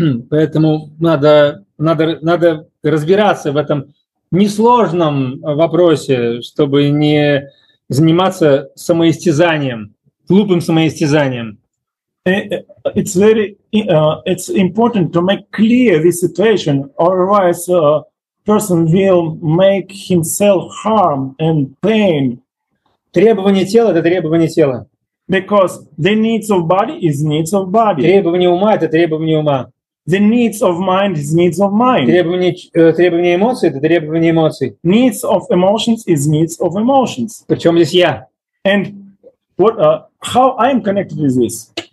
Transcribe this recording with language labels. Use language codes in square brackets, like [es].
[ru] Поэтому надо разбираться в этом несложном вопросе, чтобы не заниматься самоистязанием, глупым самоистязанием. [en] It's very it's important to make clear this situation, otherwise a person will make himself harm and pain. [ru] Требование тела — это требование тела. [en] Because the needs of body is needs of body. [ru] Требование ума — это требование ума. [en] The needs of mind is needs of mind. [ru] Требование эмоций — это требование эмоций. [en] Needs of emotions is needs of emotions. [ru] Причем здесь я? [en] And what how I am connected with this?